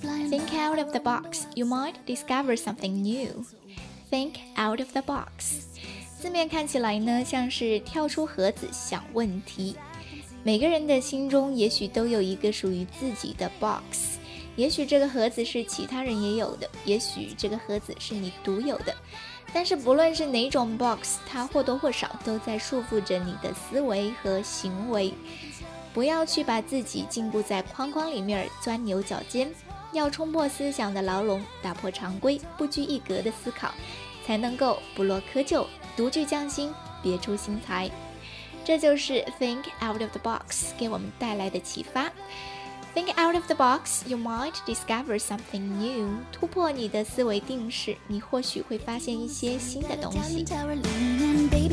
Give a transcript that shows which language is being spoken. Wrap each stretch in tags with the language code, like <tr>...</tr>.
<en>Think out of the box, you might discover something new. Think out of the box.</en> <zh>字面看起来呢，像是跳出盒子想问题。每个人的心中也许都有一个属于自己的 box， 也许这个盒子是其他人也有的，也许这个盒子是你独有的。但是不论是哪种 box， 它或多或少都在束缚着你的思维和行为。不要去把自己禁锢在框框里面钻牛角尖，要冲破思想的牢笼，打破常规，不拘一格的思考，才能够不落窠臼，独具匠心，别出心裁。这就是</zh> <en>Think out of the box</en> <zh>给我们带来的启发。</zh> <en>Think out of the box, you might discover something new.</en> <zh>突破你的思维定式，你或许会发现一些新的东西。</zh>